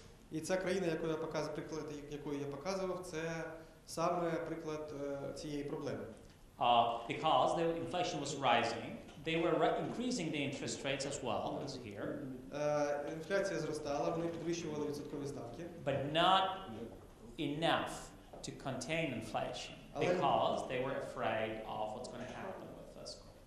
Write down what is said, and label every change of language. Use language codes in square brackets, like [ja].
[uk] І ця країна, яку я показував, приклад, якою я показував, це саме приклад цієї проблеми. [en] Because the inflation was rising, they were increasing the interest rates as well as here. [uk] Інфляція зростала, вони підвищували відсоткові ставки. [en] But not enough to contain inflation, because they were afraid of what's going to happen with fiscal.